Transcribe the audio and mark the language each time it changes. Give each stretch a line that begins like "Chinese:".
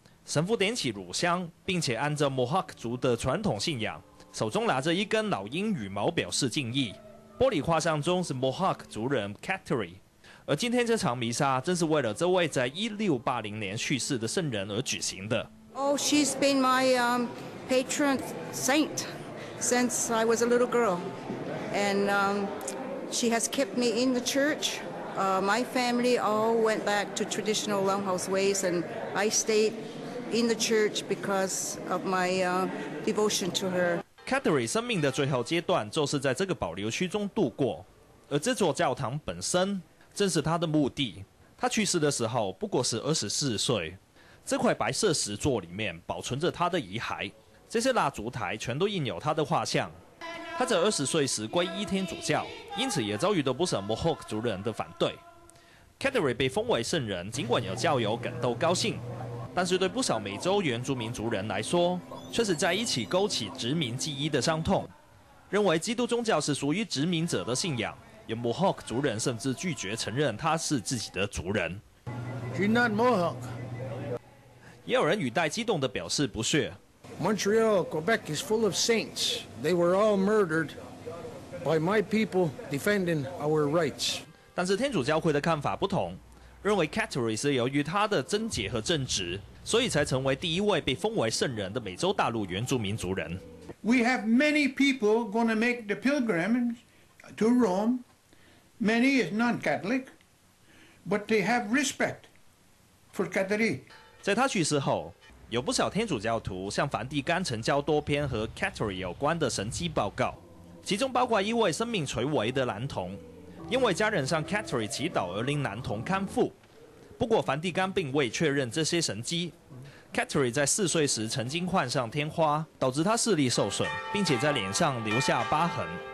Chinese: 神父点起乳香，并且按照 Mohawk 族的传统信仰，手中拿着一根老鹰羽毛表示敬意。玻璃画像中是 Mohawk 族人 Kateri， 而今天这场弥撒正是为了这位在1680年去世的圣人而举行的。
English: Oh, she's been my patron saint since I was a little girl, and She has kept me in the church. My family all went back to traditional longhouse ways, and I stayed in the church because of my devotion to her.
Chinese: Kateri 生命的最后阶段就是在这个保留区中度过，而这座教堂本身正是他的墓地。他去世的时候不过是24岁。这块白色石座里面保存着他的遗骸，这些蜡烛台全都印有他的画像。他在20岁时皈依天主教，因此也遭遇的不少 Mohawk 族人的反对。 Kateri 被封为圣人，尽管有教友感到高兴，但是对不少美洲原住民族人来说，却是在一起勾起殖民记忆的伤痛，认为基督宗教是属于殖民者的信仰。有 Mohawk 族人甚至拒绝承认他是自己的族人。
English: She's not Mohawk。
Chinese: 也有人语带激动地表示不屑。
English: Montreal, Quebec is full of saints. They were all murdered by my people defending our rights.
Chinese: 但是天主教会的看法不同，认为 Kateri 是由于他的贞洁和正直，所以才成为第一位被封为圣人的美洲大陆原住民族人。
English: We have many people going to make the pilgrimage to Rome. Many is non-Catholic, but they have respect for Kateri.
Chinese: 在他去世后，有不少天主教徒向梵蒂冈呈交多篇和 Kateri 有关的神迹报告，其中包括一位生命垂危的男童，因为家人向 Kateri 祈祷而令男童康复。不过梵蒂冈并未确认这些神迹。Kateri 在4岁时曾经患上天花，导致他视力受损，并且在脸上留下疤痕。